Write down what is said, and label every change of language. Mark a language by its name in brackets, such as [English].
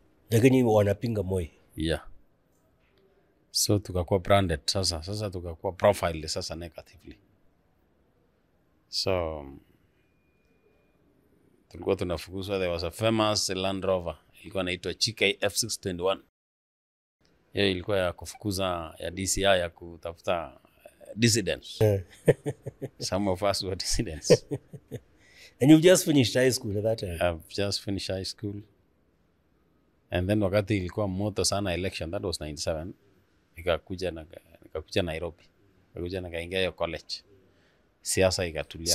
[Swahili] Lakini wanapinga Moi. Yeah. So tukakua branded sasa. Sasa tukakua profiled sasa negatively. So, tulikuwa tunafukuzwa. [English] There was a famous Land Rover. [Swahili] Ilikuwa naitwa CKF621. Yeah, ilikuwa ya kufukuza ya DCI ya kutafuta dissidents. [English] Some of us were dissidents. And you've just finished high school at that time? I've just finished high school. And then [Swahili] wakati ilikuwa moto sana election, [English] that was 97, [Swahili] nikakuja [English] Nairobi. [Swahili] Nikakuja nikaingia hiyo college. Siasa ikatulia.